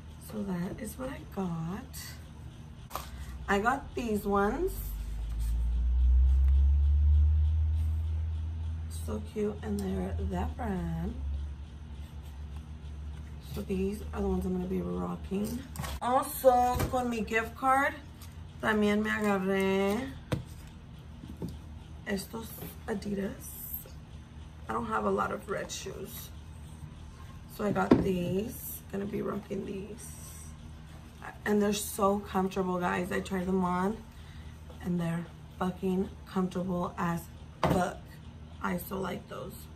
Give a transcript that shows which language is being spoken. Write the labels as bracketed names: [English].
[English] So that is what I got. I got these ones. So cute, and they're that brand. So these are the ones I'm gonna be rocking. [Spanish] Also, con mi gift card, también me agarré estos Adidas. [English] I don't have a lot of red shoes. So I got these. Gonna be rocking these. And they're so comfortable, guys. I tried them on and they're fucking comfortable as fuck. I so like those.